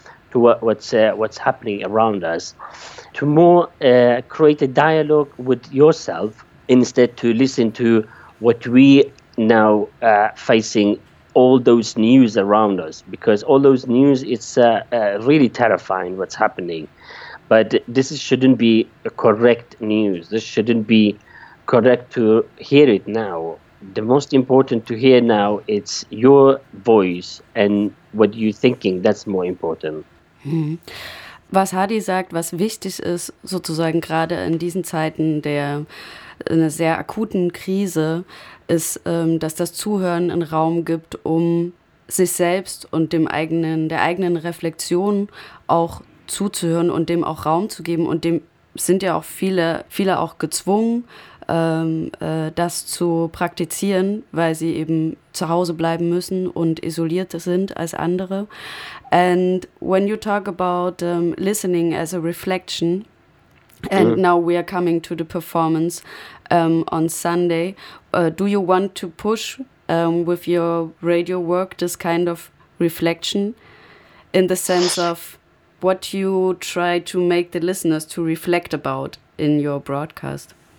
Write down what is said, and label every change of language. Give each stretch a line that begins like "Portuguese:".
English: to what's happening around us, to more create a dialogue with yourself instead to listen to what we now facing, all those news around us, because all those news, it's really terrifying what's happening. But this shouldn't be a correct news. This shouldn't be correct to hear it now. The most important to hear now, it's your voice and what you're thinking, that's more important.
German: Was Hadi sagt, was wichtig ist, sozusagen gerade in diesen Zeiten der einer sehr akuten Krise, ist, dass das Zuhören einen Raum gibt, um sich selbst und der eigenen Reflexion auch zuzuhören und dem auch Raum zu geben. Und dem sind ja auch viele auch gezwungen, das zu praktizieren, weil sie eben zu Hause bleiben müssen und isoliert sind als andere.
English: And when you talk about listening as a reflection, and now we are coming to the performance on Sunday, do you want to push with your radio work this kind of reflection in the sense of what you try to make the listeners to reflect about in your broadcast?